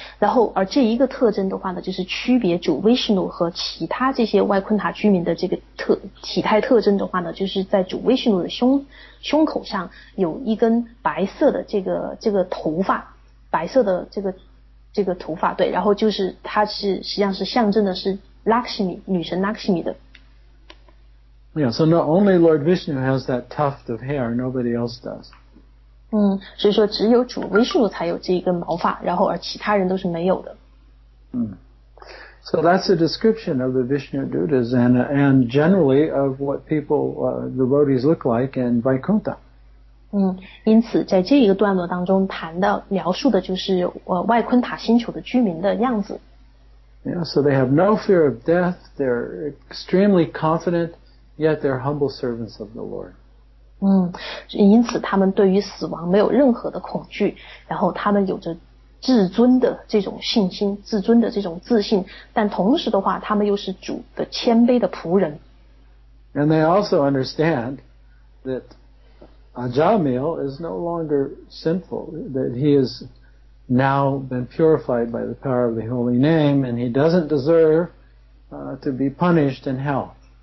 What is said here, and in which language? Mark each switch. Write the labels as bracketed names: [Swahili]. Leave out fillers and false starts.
[Chinese] 然后而这一个特征的话呢，就是区别主 Vishnu 和其他这些外昆塔居民的这个体态特征的话呢，就是在主 Vishnu 的胸口上有一根白色的这个头发，白色的这个头发，对，然后就是它是实际上是象征的是 Lakshmi 女神 Lakshmi 的。 [English] Yeah, so not only Lord Vishnu has that tuft of hair, nobody else does. [Chinese] 所以说只有主 Vishnu 才有这一根毛发，然后而其他人都是没有的。 [English] So that's a description of the Vishnu Duttas and generally of what people, the devotees look like in Vaikuntha. [Chinese] 因此在这一个段落当中谈到描述的就是外昆塔星球的居民的样子。 [English] Yeah, so they have no fear of death, they're extremely confident, yet they're humble servants of the Lord. [Chinese] 因此他们对于死亡没有任何的恐惧，然后他们有着至尊的这种信心，至尊的这种自信，但同时的话他们又是主的谦卑的仆人。 [English] And they also understand that Ajamil is no longer sinful, that he has now been purified by the power of the holy name, and he doesn't deserve, to be punished in hell.